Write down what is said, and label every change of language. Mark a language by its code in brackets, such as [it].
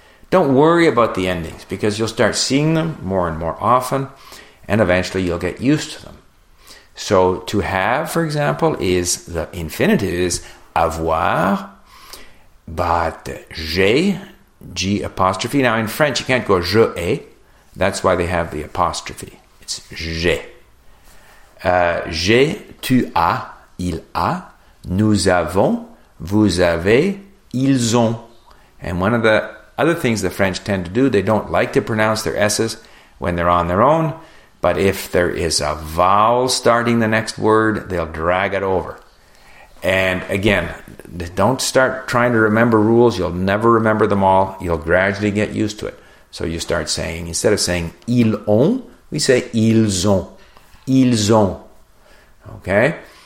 [en] Don't worry about the endings because you'll start seeing them more and more often and eventually you'll get used to them. So to have, for example, is the infinitive, is avoir, but j'ai, G apostrophe. Now in French, you can't go je ai. That's why they have the apostrophe. It's je. [fr] J'ai, tu as, il a, nous avons, vous avez, ils ont. [en] And one of the other things the French tend to do, they don't like to pronounce their S's when they're on their own, but if there is a vowel starting the next word, they'll drag it over. And again, don't start trying to remember rules. You'll never remember them all. You'll gradually get used to it. So you start saying, instead of saying [fr] ils ont, [en] we say ils ont. [fr] Ils ont. [en] Okay?